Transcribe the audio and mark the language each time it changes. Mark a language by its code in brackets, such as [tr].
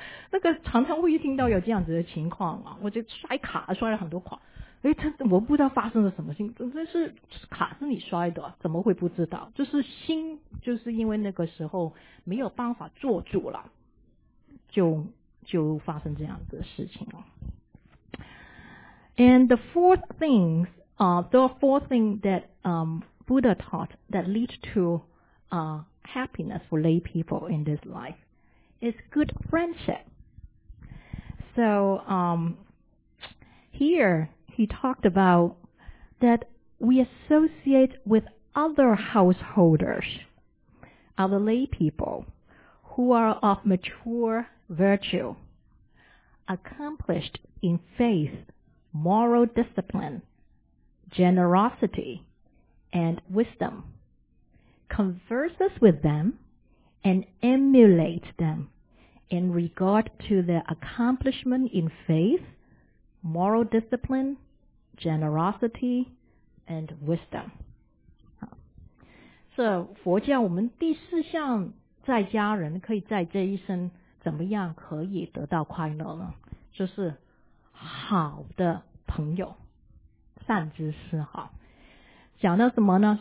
[zh] 那个常常会听到有这样子的情况啊，我就刷卡刷了很多款，哎，他我不知道发生了什么事情，但是卡是你摔的，怎么会不知道？就是心，就是因为那个时候没有办法做主了，就发生这样的事情了。 [en] And the four things, the four things that Buddha taught that lead to happiness for lay people in this life is good friendship. So here he talked about that we associate with other householders, other lay people who are of mature virtue, accomplished in faith, moral discipline, generosity, and wisdom. Converses with them and emulate them in regard to their accomplishment in faith, moral discipline, generosity, and wisdom. [zh] So, 佛教我们第四项在家人可以在这一生怎么样可以得到快乐呢？就是好的朋友，善知识哈。讲到什么呢？